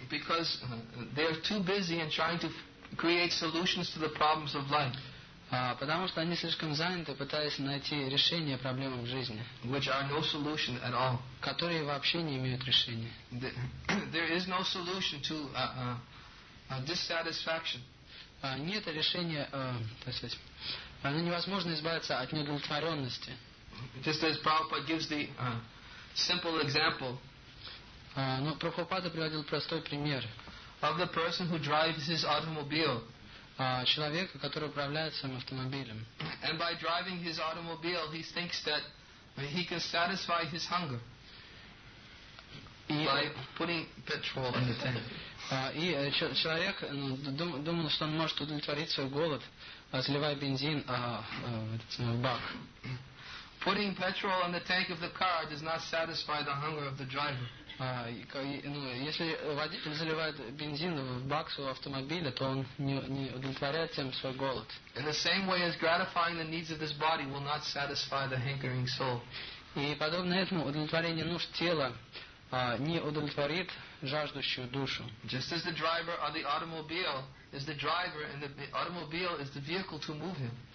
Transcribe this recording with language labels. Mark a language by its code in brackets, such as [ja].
[en] Because they are too busy in trying to create solutions to the problems of life. [ru] Потому что они слишком заняты, пытаясь найти решение проблемам жизни, [en] which are no solution at all. [ru] Которые вообще не имеют решения. [en] There is no solution to dissatisfaction. [ru] Нет решения, так сказать, невозможно избавиться от неудовлетворенности. [en] Just as Prabhupada gives the simple example. [ru] Но Прабхупада приводил простой пример. [en] Of the person who drives his automobile. [ru] Человека, который управляет своим автомобилем. [en] And by driving his automobile, he thinks that he can satisfy his hunger by putting petrol in the tank. [ru] И человек думал, что он может удовлетворить свой голод, заливая бензин в бак. [en] Putting petrol in the tank of the car does not satisfy the hunger of the driver. [ru] Если водитель заливает бензин в бак своего автомобиля, то он не удовлетворяет тем свой голод. [en] In the same way as gratifying the needs of this body will not satisfy the hankering soul. [ru] И подобно этому удовлетворение нужд тела не удовлетворит жаждущую душу. [en] Just as the driver or the automobile is the driver and the automobile is the vehicle to move him.